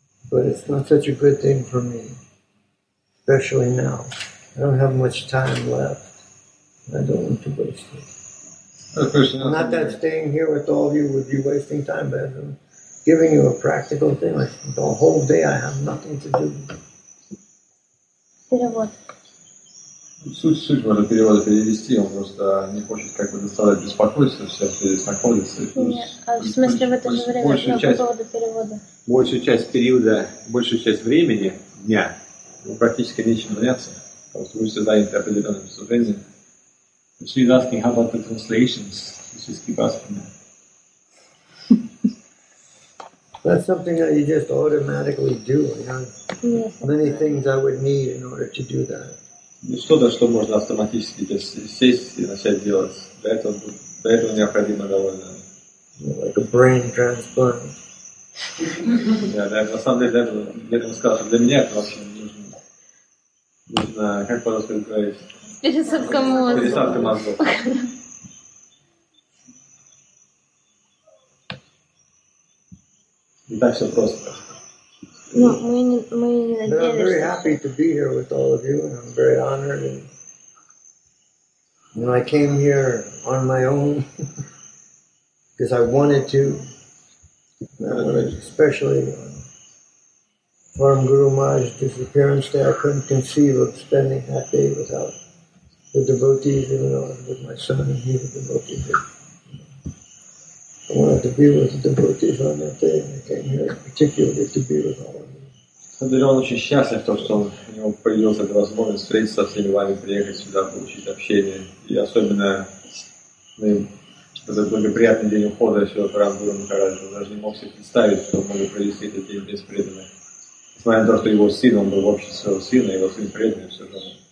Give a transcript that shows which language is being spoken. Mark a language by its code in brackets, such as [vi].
[en] But it's not such a good thing for me, especially now. I don't have much time left. I don't want to waste it. Not that staying here with all of you would be wasting time, but I'm giving you a practical thing. Like the whole day I have nothing to do. [ru] Суть можно перевода перевести, он просто не хочет как бы доставлять беспокойство, все, что здесь находится. Нет, а в смысле в это же время по поводу перевода? Большую часть периода, большую часть времени, дня, ему практически нечем заняться. Просто вы все заняты определенным служением. [en] He's just asking, how about the translations? He's just keep asking. That's something that you just automatically do. You know, yes. Many things I would need in order to do that. [ru] Что-то, что можно автоматически сесть и начать делать. Для этого необходимо довольно... [en] Like a brain transplant. [ru] Да, на самом деле, для этого сказал, что для меня это вообще нужно, как по-русски говорить? Пересадка мозга. Пересадка мозга. И так все просто. No, мы не надеялись. [en] I'm very happy to be here with all of you, and I'm very honored. And, you know, I came here on my own because I wanted to. And I wanted, especially from Guru Maharaj's disappearance day, I couldn't conceive of spending that day without the devotees, even though I was with my son and he was a devotee. But, I wanted to be with the devotees on that day, and I came here particularly to be with all of them. [ru] Он очень счастлив, то, что у него появилась эта возможность встретиться со всеми вами, приехать сюда, получить общение. И особенно этот благоприятный день ухода сюда, прямо в Гуру Махарадж. Он даже не мог себе представить, что он мог провести этот день без преданных. Несмотря на то, что его сын, он был в обществе своего сына, его сын преданный, все равно.